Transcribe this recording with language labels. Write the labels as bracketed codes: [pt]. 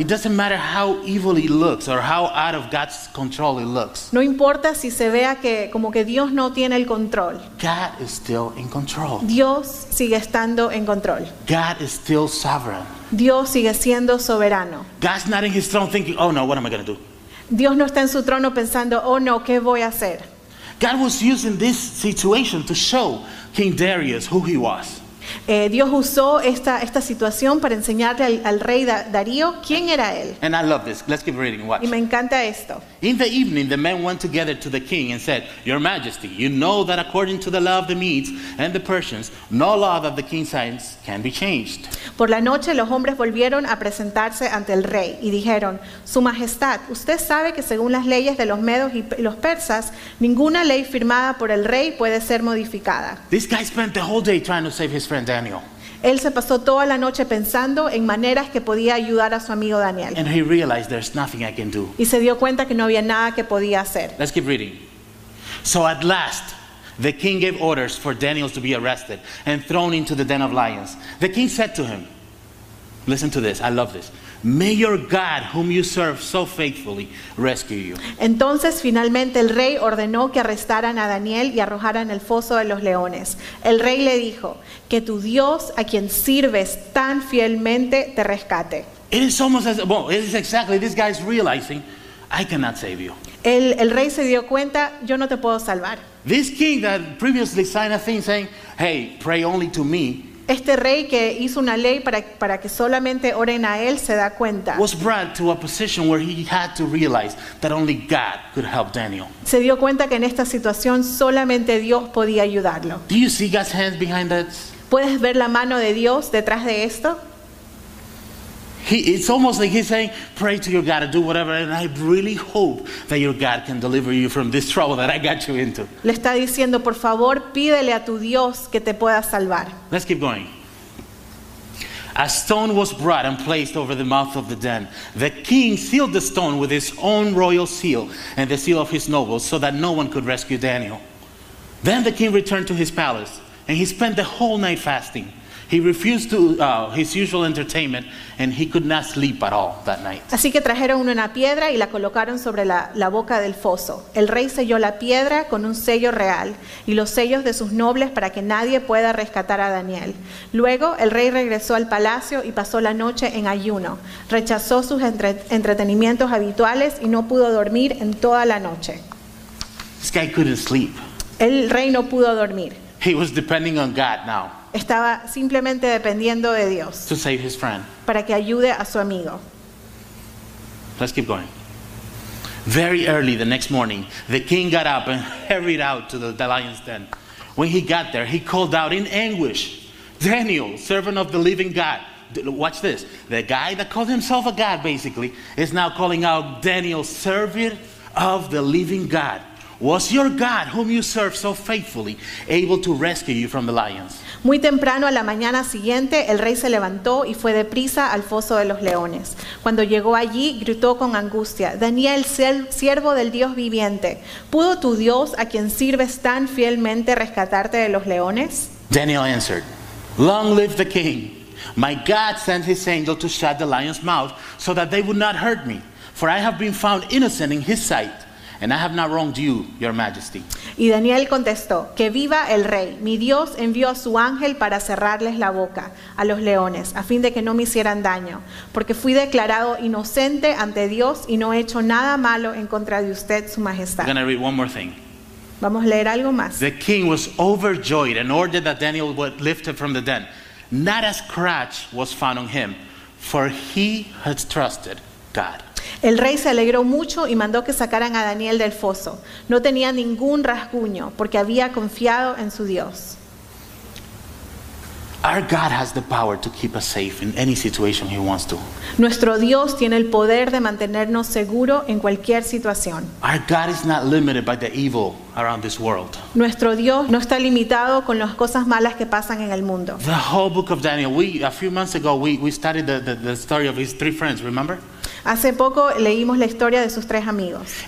[en] It doesn't matter how evil it looks or how out of God's control it looks. [es] No importa si se vea que como que Dios no tiene el control. [en] God is still in control. [es] Dios sigue estando en control. [en] God is still sovereign. [es] Dios sigue siendo soberano. [en] God's not in his throne thinking, oh no, what am I going to do? [es] Dios no está en su trono pensando, oh no, ¿qué voy a hacer? [en] God was using this situation to show King Darius who he was. [es] Dios usó esta situación para enseñarle al rey Darío quién era él. [en] And I love this. Let's keep reading. Watch. [es] Y me encanta esto. [en] In the evening, the men went together to the king and said, Your Majesty, you know that according to the law of the Medes and the Persians, no law that the king signs can be changed. [es] Por la noche, los hombres volvieron a presentarse ante el rey y dijeron, Su Majestad, usted sabe que según las leyes de los Medos y los Persas, ninguna ley firmada por el rey puede ser modificada. [en] This guy spent the whole day trying to save his friend Daniel. [es] Él se pasó toda la noche pensando en maneras que podía ayudar a su amigo Daniel. [en] And he realized there's nothing I can do. [es] Y se dio cuenta que no había nada que podía hacer. [en] Let's keep reading. So at last, the king gave orders for Daniel to be arrested and thrown into the den of lions. The king said to him, listen to this, I love this. May your God, whom you serve so faithfully, rescue you. [es] Entonces, finalmente, el rey ordenó que arrestaran a Daniel y arrojaran al foso de los leones. El rey le dijo, que tu Dios, a quien sirves tan fielmente, te rescate. [en] It is almost as, well, it is exactly, this guy is realizing, I cannot save you. [es] El rey se dio cuenta, yo no te puedo salvar. [en] This king that previously signed a thing saying, hey, pray only to me, [es] este rey que hizo una ley para que solamente oren a él se da cuenta. [en] Was brought to a position where he had to realize that only God could help Daniel. [es] Se dio cuenta que en esta situación solamente Dios podía ayudarlo. [en] Do you see God's hands behind that? [es] ¿Puedes ver la mano de Dios detrás de esto? [en] It's almost like he's saying, pray to your God and do whatever, and I really hope that your God can deliver you from this trouble that I got you into. [es] Le está diciendo, por favor, pídele a tu Dios que te pueda salvar. [en] Let's keep going. A stone was brought and placed over the mouth of the den. The king sealed the stone with his own royal seal and the seal of his nobles so that no one could rescue Daniel. Then the king returned to his palace, and he spent the whole night fasting. He refused to his usual entertainment, and he could not sleep at all that night. [es] Así que trajeron una piedra y la colocaron sobre la boca del foso. El rey selló la piedra con un sello real y los sellos de sus nobles para que nadie pueda rescatar a Daniel. Luego, el rey regresó al palacio y pasó la noche en ayuno. Rechazó sus entretenimientos habituales y no pudo dormir en toda la noche. [en] This guy couldn't sleep. [es] El rey no pudo dormir. [en] He was depending on God now. [es] Estaba simplemente dependiendo de Dios [en] to save his friend. [es] Para que ayude a su amigo. [en] Let's keep going. Very early the next morning, the king got up and hurried out to the lion's den. When he got there, he called out in anguish, "Daniel, servant of the living God." Watch this. The guy that called himself a god, basically, is now calling out, "Daniel, servant of the living God. Was your God, whom you serve so faithfully, able to rescue you from the lions?" [es] Muy temprano a la mañana siguiente, el rey se levantó y fue deprisa al foso de los leones. Cuando llegó allí, gritó con angustia, "Daniel, siervo del Dios viviente, ¿pudo tu Dios, a quien sirves tan fielmente, rescatarte de los leones?" [en] Daniel answered, "Long live the king. My God sent his angel to shut the lions' mouth so that they would not hurt me, for I have been found innocent in his sight. And I have not wronged you, your majesty." [es] Y Daniel contestó, "Que viva el rey. Mi Dios envió a su ángel para cerrarles la boca a los leones, a fin de que no me hicieran daño. Porque fui declarado inocente ante Dios y no he hecho nada malo en contra de usted, su majestad." [en] I'm going to read one more thing. [es] Vamos a leer algo más. [en] The king was overjoyed and ordered that Daniel was lifted from the den. Not a scratch was found on him, for he had trusted God. [es] El rey se alegró mucho y mandó que sacaran a Daniel del foso. No tenía ningún rasguño porque había confiado en su Dios. [en] Our God has the power to keep us safe in any situation he wants to. [es] Nuestro Dios tiene el poder de mantenernos seguro en cualquier situación. [en] Our God is not limited by the evil around this world. [es] Nuestro Dios no está limitado con las cosas malas que pasan en el mundo. [en] The whole book of Daniel, a few months ago we studied the story of his three friends, remember? [es] Hace poco leímos la historia de sus tres amigos.